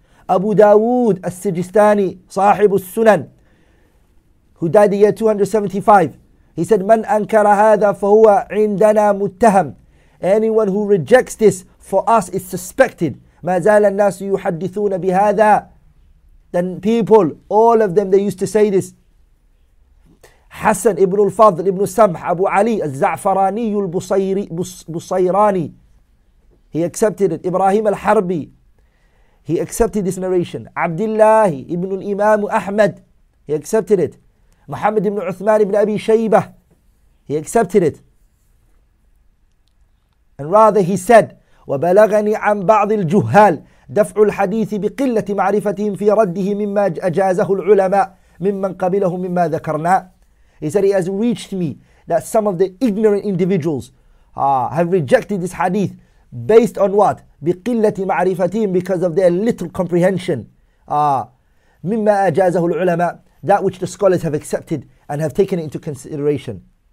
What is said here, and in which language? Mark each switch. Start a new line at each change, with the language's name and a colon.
English: Abu Dawood al-Sijistani,
Arabic: صاحب السنن,
English: who died the year 275. He said,
Arabic: مَنْ أَنْكَرَ هَذَا فَهُوَ عِنْدَنَا مُتَّهَمْ.
English: Anyone who rejects this, for us is suspected.
Arabic: مَا زَالَ النَّاسُ يُحَدِّثُونَ بِهَذَا.
English: Then people, all of them, they used to say this.
Arabic: حسن ابن الفضل ابن سمح أبو علي الزعفراني البصيري بصيراني,
English: he accepted it.
Arabic: إبراهيم الحربي,
English: he accepted this narration.
Arabic: عبد الله ابن الإمام أحمد,
English: he accepted it.
Arabic: محمد ابن عثمان ابن أبي شيبة,
English: he accepted it. And rather he said,
Arabic: وبلغني عن بعض الجهال دفع الحديث بقلة معرفتهم في رده مما أجازه العلماء ممن قبلهم مما ذكرنا.
English: He said, it has reached me that some of the ignorant individuals have rejected this hadith based on what?
Arabic: بِقِلَّةِ مَعْرِفَتِهِمْ,
English: because of their little comprehension.
Arabic: مِمَّا أَجَازَهُ الْعُلَمَاءِ,
English: that which the scholars have accepted and have taken into consideration.